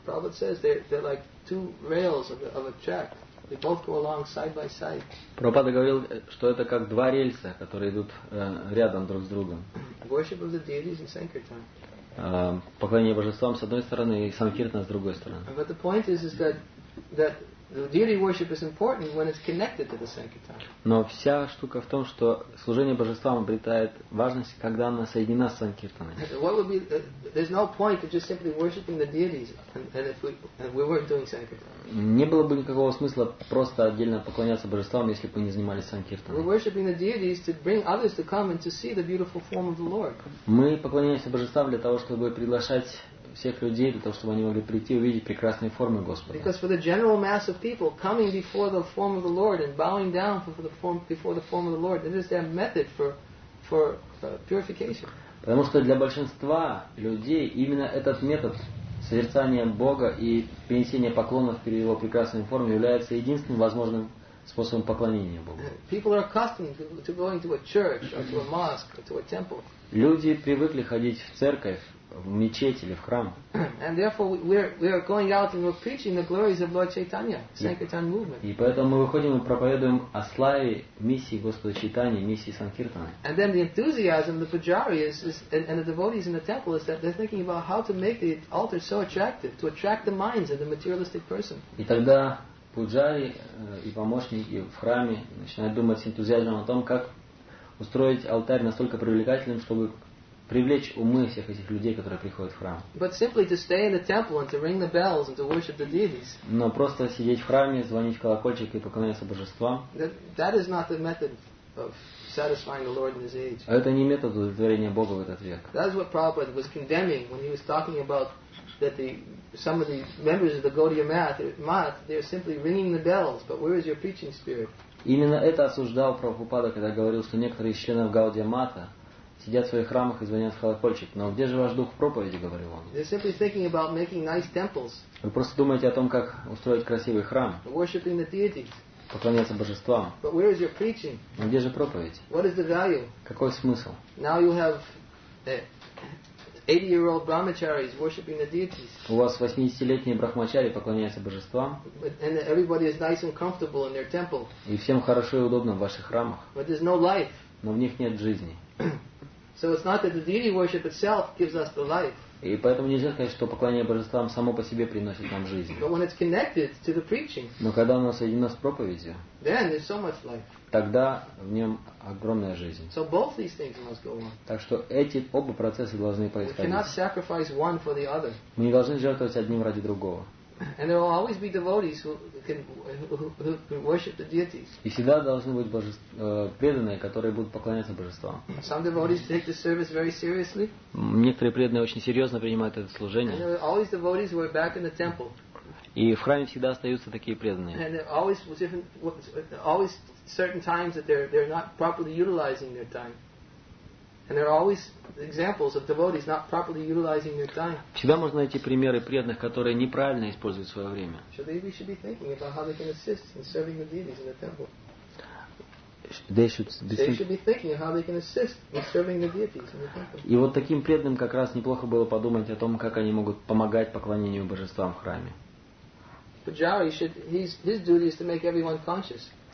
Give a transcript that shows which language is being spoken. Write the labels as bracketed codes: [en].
[en] Prabhupada says they're like two rails of a track. They both go along side by side. [ru] Прабхупада говорил, что это как два рельса, которые идут рядом друг с другом. [en] Worship of the deities and Sankirtan. [ru] Поклонение божествам с одной стороны и Санкиртана с другой стороны. [en] But the point is that the deity worship is important when it's connected to the Sankirtan. [ru] Но вся штука в том, что служение божествам обретает важность, когда оно соединено с Санкиртаной. [en] There's no point in just simply worshiping the deities and if we weren't doing Sankirtan. [ru] Не было бы никакого смысла просто отдельно поклоняться божествам, если бы не занимались Санкиртаной. [en] We're worshiping the deities to bring others to come and to see the beautiful form of the Lord. [ru] Мы поклоняемся божествам для того, чтобы приглашать всех людей для того, чтобы они могли прийти и увидеть прекрасные формы Господа. [en] Because for the general mass of people coming before the form of the Lord and bowing down before the form of the Lord, this is their method for purification. [ru] Потому что для большинства людей именно этот метод созерцания Бога и принесения поклонов перед Его прекрасной формой является единственным возможным способом поклонения Богу. [en] People are accustomed to going to a church or to a mosque or to a temple. [ru] Люди привыкли ходить в церковь, в мечеть или в храм. [en] And therefore we are going out and we're preaching the glories of Lord Chaitanya, Sankirtan movement. [ru] И поэтому мы выходим и проповедуем о славе миссии Господа Чайтаньи, миссии Санкиртаны. [en] And then the enthusiasm, the pujari and the devotees in the temple is that they're thinking about how to make the altar so attractive, to attract the minds of the materialistic person. [ru] И тогда пуджари и помощники в храме начинают думать с энтузиазмом о том, как устроить алтарь настолько привлекательным, чтобы привлечь умы всех этих людей, которые приходят в храм. [en] But simply to stay in the temple and to ring the bells and to worship the deities. [ru] Но просто сидеть в храме, звонить в колокольчик и поклоняться божествам. [en] That is not the method of satisfying the Lord in his age. [ru] Это не метод удовлетворения Бога в этот век. [en] That is what Prabhupada was condemning when he was talking about that the some of the members of the Gaudiya Math, they're simply ringing the bells, but where is your preaching spirit? [ru] Именно это осуждал Прабхупада, когда говорил, что некоторые из членов Гаудия Мата сидят в своих храмах и звонят в колокольчик. Но где же ваш дух проповеди, говорил он? [en] They're simply thinking about making nice temples. [ru] Вы просто думаете о том, как устроить красивый храм. [en] Worshiping the deities. [ru] Поклоняться божествам. [en] But where is your preaching? [ru] Но где же проповедь? [en] What is the value? [ru] Какой смысл? [en] Now you have 80-year-old brahmacharis worshiping the deities. [ru] У вас 80-летние брахмачари поклоняются божествам. [en] And everybody is nice and comfortable in their temple. [ru] И всем хорошо и удобно в ваших храмах. [en] But there's no life. [ru] Но в них нет жизни. [en] So it's not that the deity worship itself gives us the life. [ru] И поэтому нельзя сказать, что поклонение божествам само по себе приносит нам жизнь. [en] But when it's connected to the preaching. [ru] Но когда оно соединено с проповедью. [en] Then there's so much life. [ru] Тогда в нем огромная жизнь. [en] So both these things must go on. [ru] Так что эти оба процесса должны происходить. [en] We cannot sacrifice one for the other. [ru] Мы не должны жертвовать одним ради другого. [en] And there will always be devotees who can worship the deities. [ru] И всегда должны быть преданные, которые будут поклоняться божествам. [en] Some devotees take the service very seriously. [ru] Некоторые преданные очень серьезно принимают это служение. [en] And there are always devotees who are back in the temple. [ru] И в храме всегда остаются такие преданные. [en] And there are always always certain times that they're not properly utilizing their time. And there are always examples of devotees not properly utilizing their time. [ru] Всегда можно найти примеры преданных, которые неправильно используют свое время. [en] So they should be thinking about how they can assist in serving the deities in the temple. They should be thinking how they can assist in serving the deities in the temple. [ru] И вот таким преданным как раз неплохо было подумать о том, как они могут помогать поклонению божествам в храме. [en] Pujari should his duty is to make everyone conscious.